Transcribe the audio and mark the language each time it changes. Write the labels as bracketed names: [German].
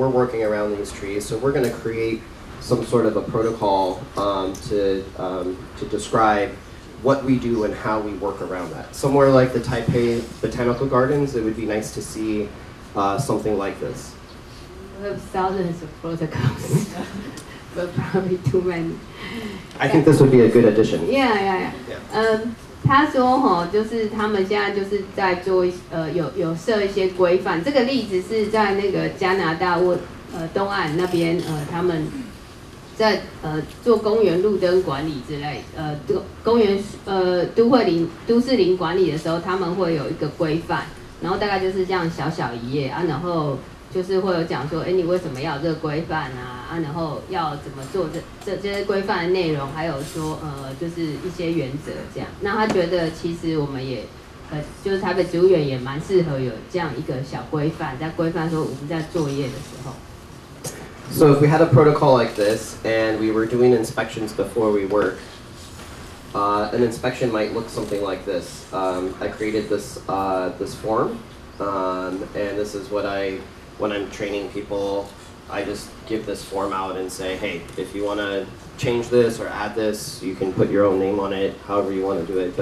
[English] We're working around these trees, so we're going to createsome sort of a protocol to describe what we do and how we work around that. Somewhere like the Taipei Botanical Gardens, it would be nice to see something like this. We have thousands of protocols, but probably too many. I think this would be a good addition. Yeah. [Chinese] 他说就是他们现在就是在做有设一些规范，这个例子是在那个加拿大东岸那边他们在做公园路灯管理之类，公园都市林管理的时候，他们会有一个规范，然后大概就是这样小小一页啊，然后就是会有讲说，你为什么要这个规范啊，然后要怎么做这些规范的内容，还有说就是一些原则这样。那他觉得其实我们也就是台北植物园也蛮适合有这样一个小规范，在规范说我们在作业的时候。 [English] So if we had a protocol like this, and we were doing inspections before we work, an inspection might look something like this. I created this, this form, and this is what when I'm training people, I just give this form out and say, hey, if you want to change this or add this, you can put your own name on it, however you want to do it.